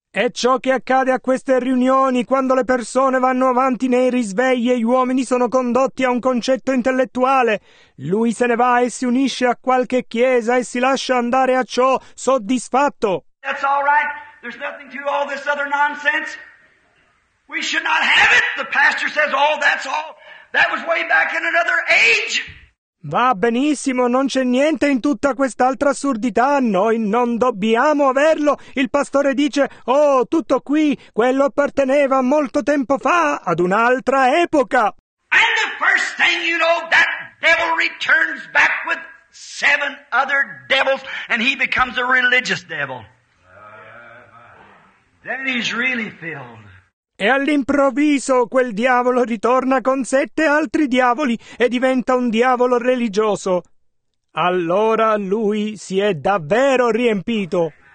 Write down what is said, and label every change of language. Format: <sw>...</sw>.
<it>È ciò che accade a queste riunioni, quando le persone vanno avanti nei risvegli e gli uomini sono condotti a un concetto intellettuale. Lui se ne va e si unisce a qualche chiesa e si lascia andare a ciò, soddisfatto.</it> <en>That's all right. There's nothing to all this other nonsense. We should not have it. The pastor says, oh, that's all. That was way back in another age.</en> <it>Va benissimo, non c'è niente in tutta quest'altra assurdità, noi non dobbiamo averlo. Il pastore dice, oh, tutto qui, quello apparteneva molto tempo fa, ad un'altra epoca.</it> <en>And the first thing you know, that devil returns back with seven other devils, and he becomes a religious devil. Then he's really filled.</en> <it>E all'improvviso quel diavolo ritorna con sette altri diavoli e diventa un diavolo religioso. Allora lui si è davvero riempito.</it>